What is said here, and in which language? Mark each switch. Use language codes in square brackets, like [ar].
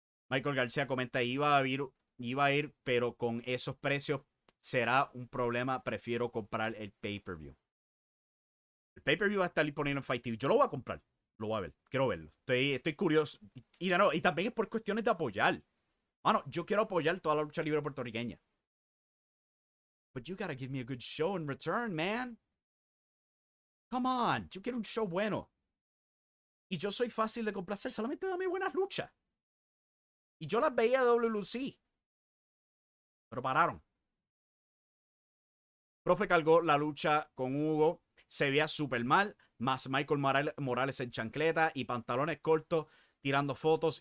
[es] Michael García comenta, iba a ir, pero con esos precios será un problema. Prefiero comprar el pay-per-view. El pay-per-view va a estar disponible en Fight TV. Yo lo voy a comprar. Lo voy a ver. Quiero verlo. Estoy curioso. Y de nuevo, y también es por cuestiones de apoyar. Bueno, yo quiero apoyar toda la lucha libre puertorriqueña. [en] But you gotta give me a good show in return, man. Come on. [es] Yo quiero un show bueno. Y yo soy fácil de complacer. Solamente dame buenas luchas. Y yo las veía de WLC. Pero pararon. Profe cargó la lucha con Hugo. Se veía súper mal. Más Michael Morales en chancleta y pantalones cortos, tirando fotos.